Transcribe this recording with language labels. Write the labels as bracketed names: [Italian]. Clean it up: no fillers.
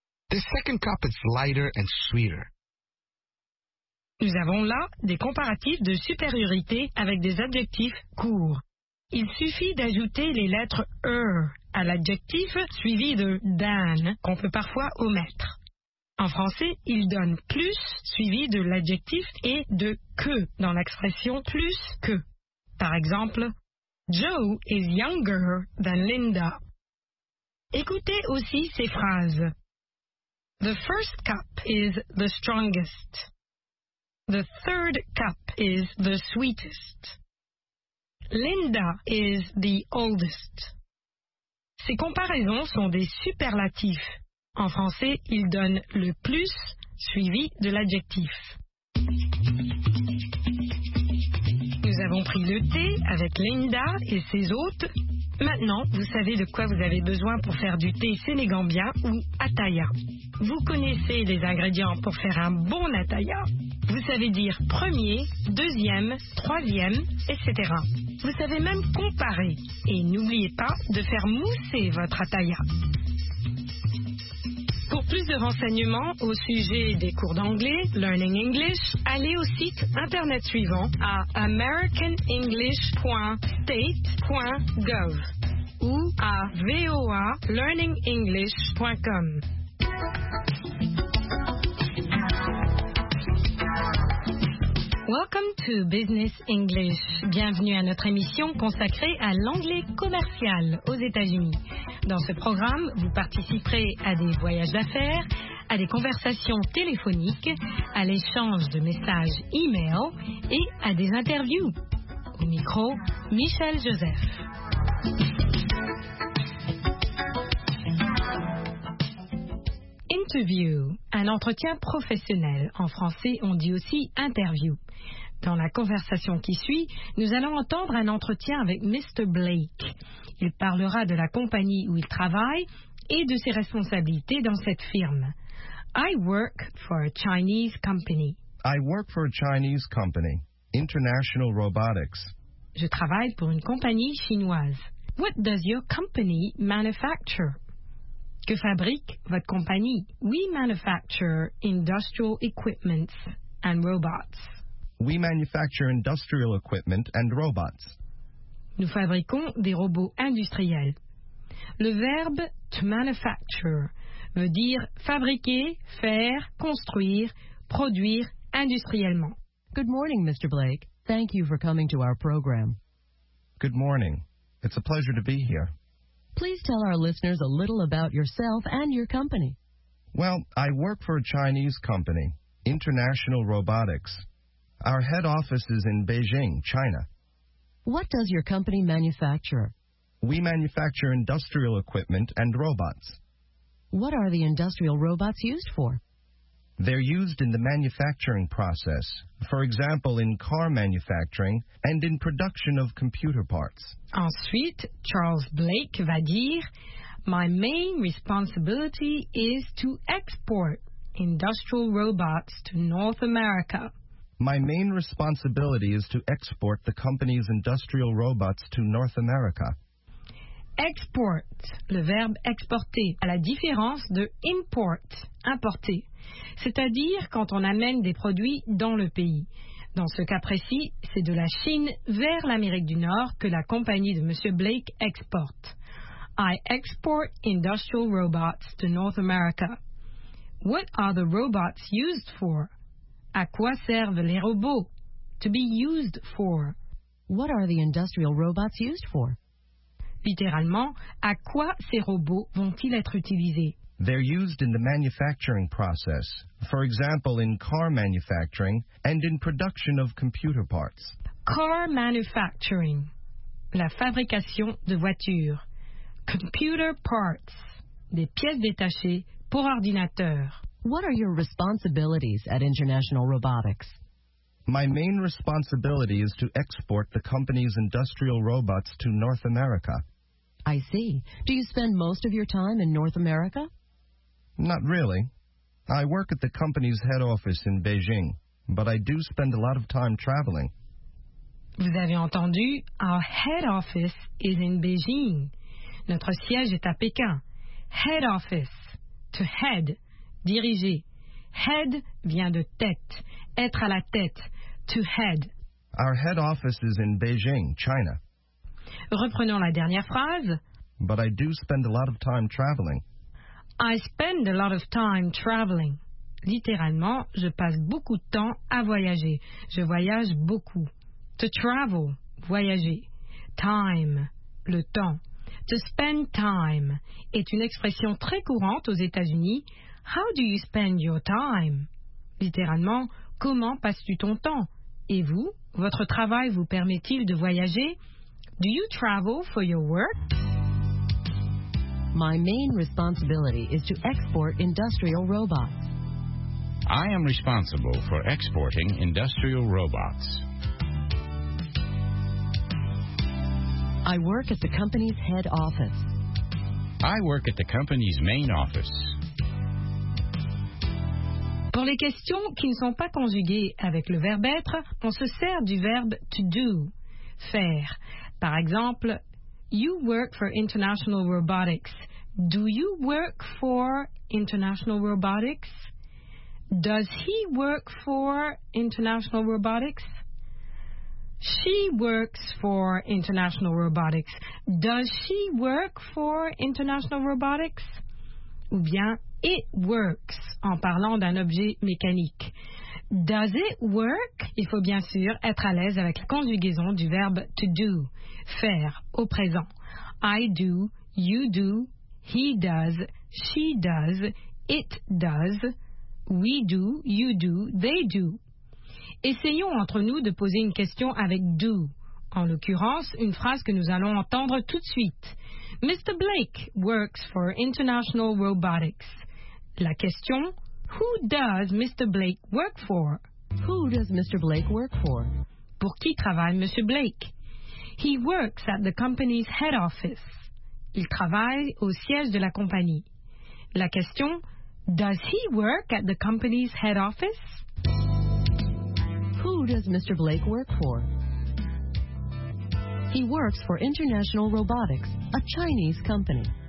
[English] The second cup is lighter and sweeter. [French] Nous avons là des comparatifs de supériorité avec des adjectifs courts. Il suffit d'ajouter les lettres er à l'adjectif suivi de than qu'on peut parfois omettre. En français, il donne plus suivi de l'adjectif et de que dans l'expression plus que. Par exemple, [English] Joe is younger than Linda. [French] Écoutez aussi ces phrases. [English] The first cup is the strongest. The third cup is the sweetest. Linda is the oldest. [French] Ces comparaisons sont des superlatifs. En français, ils donnent le plus suivi de l'adjectif. Nous avons pris le thé avec Linda et ses hôtes. Maintenant, vous savez de quoi vous avez besoin pour faire du thé sénégambien ou ataya. Vous connaissez les ingrédients pour faire un bon ataya. Vous savez dire premier, deuxième, troisième, etc. Vous savez même comparer. Et n'oubliez pas de faire mousser votre ataya. Pour plus de renseignements au sujet des cours d'anglais, Learning English, allez au site internet suivant à americanenglish.state.gov ou à voalearningenglish.com. [English] Welcome to Business English. [French] Bienvenue à notre émission consacrée à l'anglais commercial aux États-Unis. Dans ce programme, vous participerez à des voyages d'affaires, à des conversations téléphoniques, à l'échange de messages e-mail et à des interviews. Au micro, Michel Joseph. Interview, un entretien professionnel. En français, on dit aussi interview. Dans la conversation qui suit, nous allons entendre un entretien avec Mr. Blake. Il parlera de la compagnie où il travaille et de ses responsabilités dans cette firme. [English] I work for a Chinese company. I work for a Chinese company, International Robotics. [French] Je travaille pour une compagnie chinoise. [English] What does your company manufacture? [French] Que fabrique votre compagnie? [English] We manufacture industrial equipment and robots. We manufacture industrial equipment and robots. [French] Nous fabriquons des robots industriels. Le verbe to manufacture veut dire fabriquer, faire, construire, produire industriellement. [English] Good morning, Mr. Blake. Thank you for coming to our program. Good morning. It's a pleasure to be here. Please tell our listeners a little about yourself and your company. Well, I work for a Chinese company, International Robotics. Our head office is in Beijing, China. What does your company manufacture? We manufacture industrial equipment and robots. What are the industrial robots used for? They're used in the manufacturing process, for example, in car manufacturing and in production of computer parts. [French] Ensuite, Charles Blake va dire, [English] My main responsibility is to export industrial robots to North America. My main responsibility is to export the company's industrial robots to North America. [French] Export, le verbe exporter, à la différence de import, importer, c'est-à-dire quand on amène des produits dans le pays. Dans ce cas précis, c'est de la Chine vers l'Amérique du Nord que la compagnie de M. Blake exporte. [English] I export industrial robots to North America. What are the robots used for? [French] À quoi servent les robots? [English] To be used for. What are the industrial robots used for? [French] Littéralement, à quoi ces robots vont-ils être utilisés? [English] They're used in the manufacturing process. For example, in car manufacturing and in production of computer parts. Car manufacturing. [French] La fabrication de voitures. [English] Computer parts. [French] Des pièces détachées pour ordinateur. [English] What are your responsibilities at International Robotics? My main responsibility is to export the company's industrial robots to North America. I see. Do you spend most of your time in North America? Not really. I work at the company's head office in Beijing, but I do spend a lot of time traveling. [French] Vous avez entendu, [English] our head office is in Beijing. [French] Notre siège est à Pékin. Head office. To head. Diriger. Head vient de tête. Être à la tête. To head. [English] Our head office is in Beijing, China. [French] Reprenons la dernière phrase. [English] But I do spend a lot of time traveling. I spend a lot of time traveling. [French] Littéralement, je passe beaucoup de temps à voyager. Je voyage beaucoup. To travel, voyager. Time, le temps. To spend time est une expression très courante aux États-Unis. [English] How do you spend your time? [French] Littéralement, comment passes-tu ton temps? Et vous, votre travail vous permet-il de voyager? [English] Do you travel for your work? My main responsibility is to export industrial robots. I am responsible for exporting industrial robots. I work at the company's head office. I work at the company's main office. [French] Pour les questions qui ne sont pas conjuguées avec le verbe être, on se sert du verbe to do, faire. Par exemple, [English] you work for International Robotics. Do you work for International Robotics? Does he work for International Robotics? She works for International Robotics. Does she work for International Robotics? [French] Ou bien, it works, en parlant d'un objet mécanique. [English] Does it work? [French] Il faut bien sûr être à l'aise avec la conjugaison du verbe to do, faire, au présent. [English] I do, you do, he does, she does, it does. We do, you do, they do. [French] Essayons entre nous de poser une question avec « do ». En l'occurrence, une phrase que nous allons entendre tout de suite. [English] « Mr. Blake works for International Robotics ». [French] La question [English] « Who does Mr. Blake work for ?»« Who does Mr. Blake work for ?» [French] Pour qui travaille Monsieur Blake ?« [English] He works at the company's head office ». [French] Il travaille au siège de la compagnie. La question [English] « Does he work at the company's head office? Who does Mr. Blake work for? He works for International Robotics, a Chinese company.